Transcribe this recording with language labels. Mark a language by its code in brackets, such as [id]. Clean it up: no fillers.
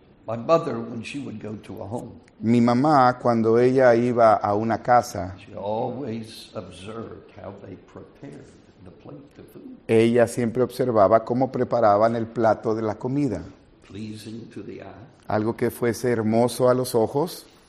[en] My mother, when she would go to a home, [es] mi mamá, cuando ella iba a una casa, [en] she always observed how they prepared the plate of food. [es] Ella siempre observaba cómo preparaban el plato de la comida. [en] Pleasing to the eye, [es] algo que fuese hermoso a los ojos,